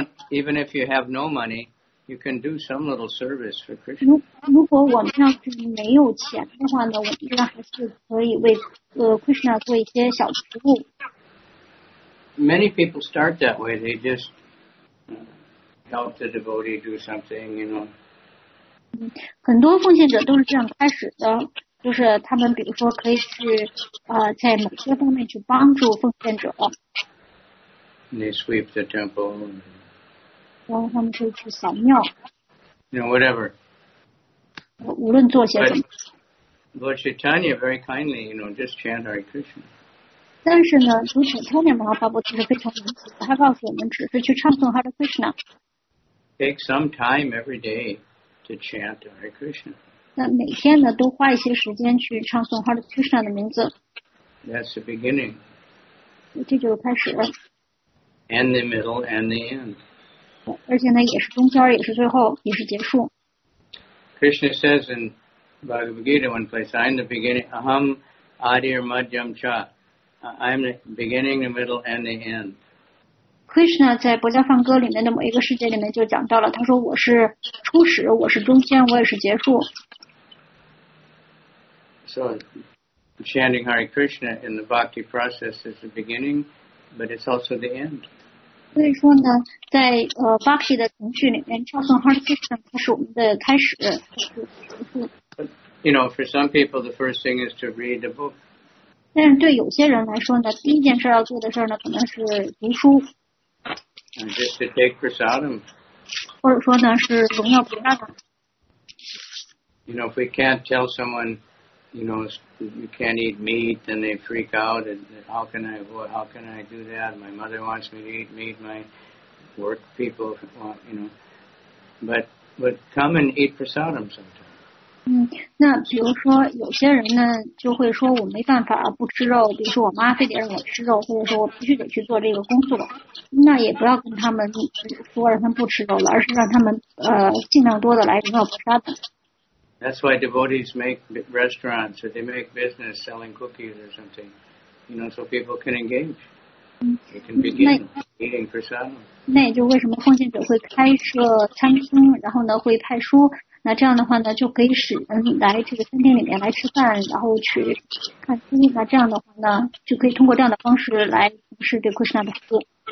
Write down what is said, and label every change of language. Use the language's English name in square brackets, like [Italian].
[English] Even if you have no money, you can do some little service for Krishna. [Chinese] 如果我们要是没有钱的话呢，我们应该还是可以为Krishna 做一些小服务。 [English] Many people start that way. They just help the devotee do something, you know. [Chinese] 很多奉献者都是这样开始的，就是他们比如说可以去在某些方面去帮助奉献者。 [English] And they sweep the temple. [Chinese] 然后他们会去扫庙。 [English] You know, whatever. [Chinese] 无论做些什么。 [English] Lord Chaitanya very kindly, you know, just chant Hare Krishna. [Chinese] 但是呢，主持人天天马哈巴布其实非常仁慈，他告诉我们只是去唱诵 Hare Krishna. [English] Take some time every day to chant Hare Krishna. [Chinese] 那每天呢，都花一些时间去唱诵 Hare Krishna 的名字。 [English] That's the beginning. [Chinese] 这就开始了。 [English] And the middle and the end. [Chinese] 而且呢，也是中间，也是最后，也是结束。 [English] Krishna says in Bhagavad Gita one place, I am the beginning, [Sanskrit] aham adir madhyam cha. [English] I am the beginning, the middle, and the end. [Chinese] Krishna 在《薄伽梵歌》里面的某一个世界里面就讲到了，他说我是初始，我是中间，我也是结束。 [English] So, chanting Hare Krishna in the bhakti process is the beginning, but it's also the end. [Chinese] 所以说呢，在Bhakti 的程序里面，唱诵 Hare Krishna 它是我们的开始。 [English] You know, for some people, the first thing is to read the book. [Chinese] 但是对有些人来说呢，第一件事要做的事呢，可能是读书。 [English] And just to take prasadam. [Chinese] 或者说呢，是荣耀菩萨的。 [English] You know, if we can't tell someone, you know, you can't eat meat, then they freak out. And how can I do that? My mother wants me to eat meat. My work people if you want, you know, but would come and eat prasadam sometimes. [Chinese] 那比如说有些人呢就会说我没办法不吃肉，比如说我妈非得让我吃肉，或者说我必须得去做这个工作，那也不要跟他们说让他们不吃肉了，而是让他们尽量多的来领受菩萨的。 [English] That's why devotees make restaurants, or they make business selling cookies or something, you know, so people can engage. They can begin eating prasadam. [Chinese] 那也就为什么奉献者会开设餐厅，然后呢会派书。那这样的话呢，就可以使人来这个餐厅里面来吃饭，然后去看书。那这样的话呢，就可以通过这样的方式来从事对库什纳的服务。